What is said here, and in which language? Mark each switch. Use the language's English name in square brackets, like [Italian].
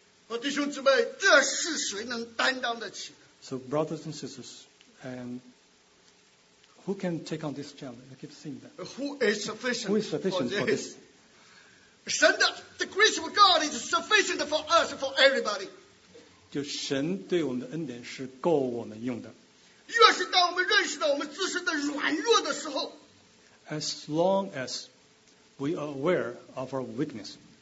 [English] So, brothers and sisters, and who can take on this challenge? I keep seeing that. Who is sufficient for this? The grace of God is sufficient for us, for everybody. [Chinese] 就神对我们的恩典是够我们用的。越是当我们认识到我们自身的软弱的时候, [English] As long as we are aware of our weakness,